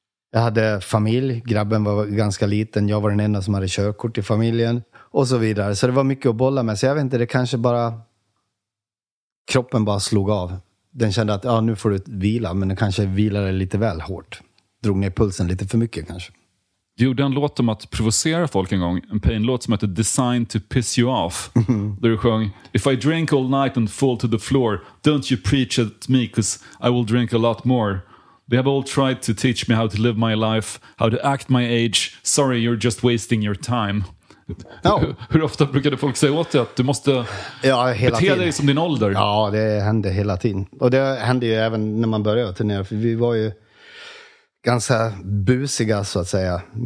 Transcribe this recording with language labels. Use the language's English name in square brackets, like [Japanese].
[Swedish] Jag hade familj. Grabben var ganska liten. Jag var den enda som hade körkort i familjen. Och så vidare. Så det var mycket att bolla med. Så jag vet inte, det kanske bara... Kroppen bara slog av. Den kände att ja, nu får du vila. Men den kanske vilade lite väl hårt. Drog ner pulsen lite för mycket kanske. Du gjorde en låt om att provocera folk en gång. En painlåt som heter Design to Piss You Off. Där du sjöng [English] If I drink all night and fall to the floor, don't you preach at me because I will drink a lot more. They have all tried to teach me how to live my life, how to act my age. Sorry, you're just wasting your time. No. [Swedish] Hur ofta brukade folk säga åt dig att du måste bete dig som din ålder? Ja, det hände hela tiden. Och det hände ju även när man började turnera. För vi var ju ganska busiga, så att säga.